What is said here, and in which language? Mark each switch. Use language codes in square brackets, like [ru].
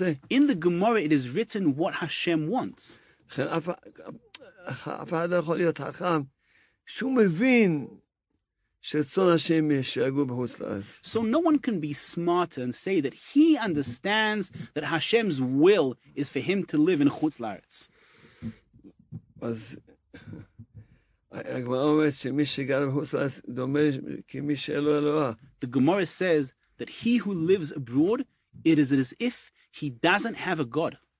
[en] In the Gemara it is written what Hashem wants. So no one can be smarter and say that he understands that Hashem's will is for him to live in Chutz Laretz. [he] אז הגמרא אומרת שמי שגר בחוץ לארץ דומה כמי שאין לו אלוהה. [en] The Gemara says that he who lives abroad, it is as if he doesn't have a God.